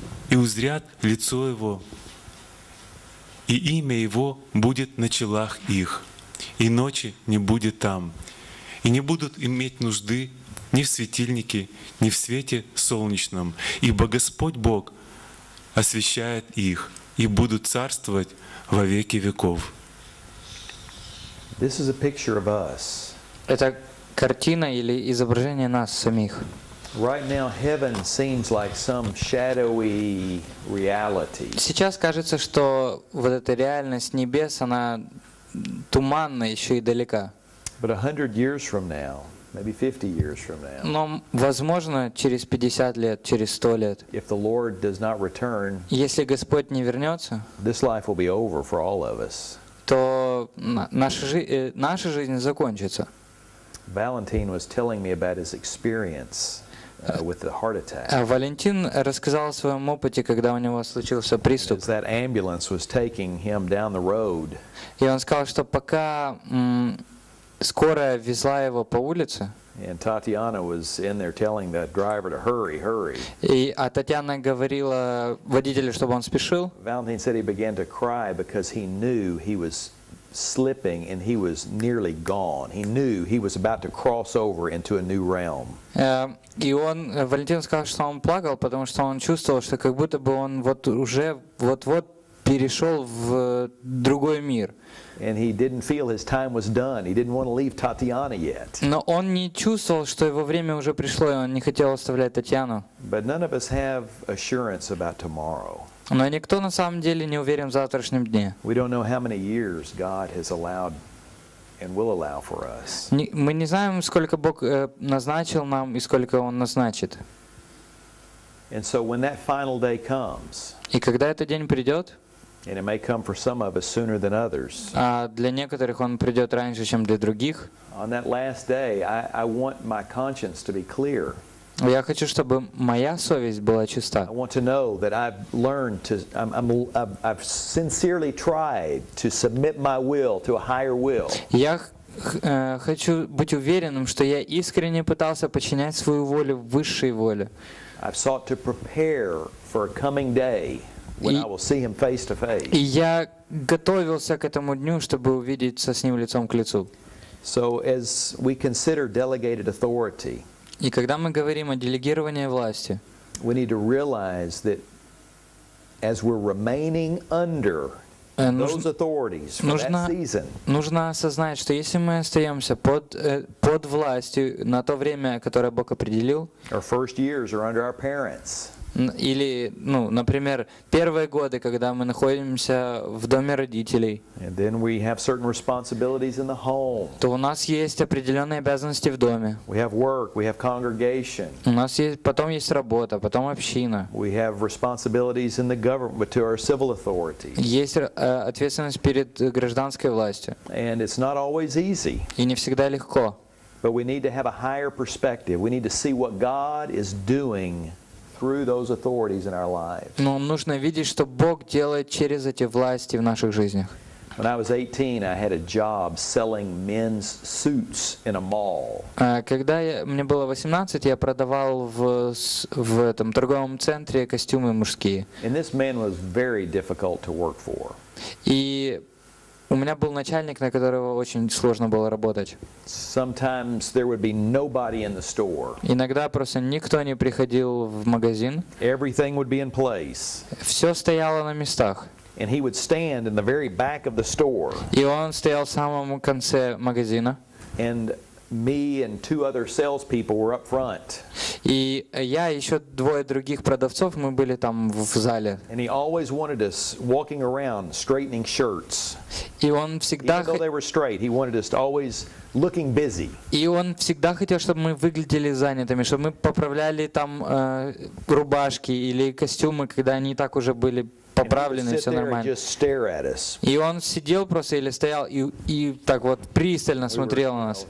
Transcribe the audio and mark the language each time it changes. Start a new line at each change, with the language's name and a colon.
Russian: и узрят лицо его, и имя его будет на челах их, и ночи не будет там, и не будут иметь нужды ни в светильнике, ни в свете солнечном, ибо Господь Бог освещает их, и будут царствовать во веки веков.
English: This is a picture of us.
Russian: Это картина или изображение нас самих.
English: Right now, heaven seems like some shadowy reality.
Russian: Сейчас кажется, что вот эта реальность небес, она туманна еще и далека.
English: But 100 years from now, maybe 50 years from now.
Russian: Но возможно через 50 лет, через 100 лет.
English: If the Lord does not return,
Russian: если Господь не вернется,
English: this life will be over for all of us.
Russian: То наша жизнь закончится.
English: Valentin was telling me about his experience with the heart attack.
Russian: Валентин рассказал о своем опыте, когда у него случился приступ.
English: As that ambulance was taking him down the road.
Russian: И он сказал, что пока скорая везла его по улице.
English: And Tatiana was in there telling the driver to hurry, hurry.
Russian: И Татьяна говорила водителю, чтобы он спешил.
English: Valentin said he began to cry because he knew he was slipping and he was nearly gone. He knew he was about to cross over into a new realm.
Russian: И он, Валентин сказал, что он плакал, потому что он чувствовал, что как будто бы он вот уже вот-вот перешел в другой мир.
English: And he didn't feel his time was done. He didn't want to leave Tatiana yet.
Russian: Но он не чувствовал, что его время уже пришло, и он не хотел оставлять Татьяну.
English: But none of us have assurance about tomorrow.
Russian: Но никто на самом деле не уверен в завтрашнем дне.
English: We don't know how many years God has allowed and will allow for us.
Russian: Мы не знаем, сколько Бог назначил нам и сколько Он назначит.
English: And so when that final day comes,
Russian: и когда этот день придет,
English: and it may come for some of us sooner than others.
Russian: А для некоторых он придет раньше, чем для других.
English: On that last day, I want my conscience to be clear.
Russian: Я хочу, чтобы моя совесть была чиста.
English: I want to know that I've learned to, I've sincerely tried to submit my will to a higher will.
Russian: Я хочу быть уверенным, что я искренне пытался подчинять свою волю высшей воле.
English: I've sought to prepare for a coming day. When I will see him face to face.
Russian: И я готовился к этому дню, чтобы увидеться с ним лицом к лицу.
English: So as we consider delegated authority.
Russian: И когда мы говорим о делегировании власти.
English: We need to realize that as we're remaining under those authorities for that season.
Russian: Нужно осознать, что если мы остаемся под властью на то время, которое Бог определил.
English: Our first years are under our parents.
Russian: Или, ну, например, первые годы, когда мы находимся в доме родителей,
English: and then we have certain responsibilities in the home.
Russian: То у нас есть определенные обязанности в доме.
English: We have work, we have congregation.
Russian: У нас есть, потом есть работа, потом община.
English: We have responsibilities in the government, but to our civil authorities.
Russian: Есть ответственность перед гражданской властью.
English: And it's not always easy.
Russian: И не всегда легко.
English: But we need to have a higher perspective. We need to see what God is doing through those authorities in our lives.
Russian: Но нужно видеть, что Бог делает через эти власти в наших жизнях.
English: When I was 18, I had a job selling men's suits in a mall.
Russian: Когда мне было 18, я продавал в этом торговом центре костюмы мужские.
English: And this man was very difficult to work for.
Russian: И у меня был начальник, на которого очень сложно было работать.
English: Sometimes there would be nobody in the store.
Russian: Иногда просто никто не приходил в магазин.
English: Everything would be in place.
Russian: Все стояло на местах.
English: And he would stand in the very back of the store.
Russian: И он стоял в самом конце магазина.
English: And me and two other salespeople were up front.
Russian: И я и еще двое других продавцов мы были там в зале.
English: And he always wanted us walking around straightening shirts.
Russian: И он всегда.
English: Even though they were straight, he wanted us to always looking busy.
Russian: И он всегда хотел, чтобы мы выглядели занятыми, чтобы мы поправляли там рубашки или костюмы, когда они так уже были поправлены, все нормально. И он сидел просто или стоял и так вот пристально смотрел на нас.